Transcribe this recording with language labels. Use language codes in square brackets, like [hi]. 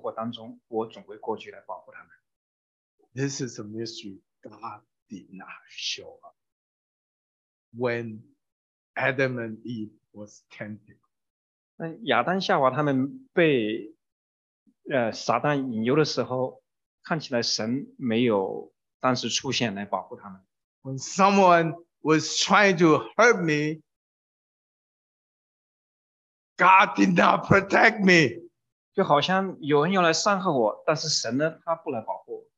[zh] 当我看到我的孩子们是在危险当中或者被诱惑当中，我总会过去来保护他们。 [en] This is a mystery God did not show up when Adam and Eve was tempted. [zh] 亚当夏娃他们被撒旦引诱的时候，看起来神没有当时出现来保护他们。 [en] When someone was trying to hurt me, God did not protect me. [zh] 就好像有人要来伤害我，但是神呢，他不来保护我。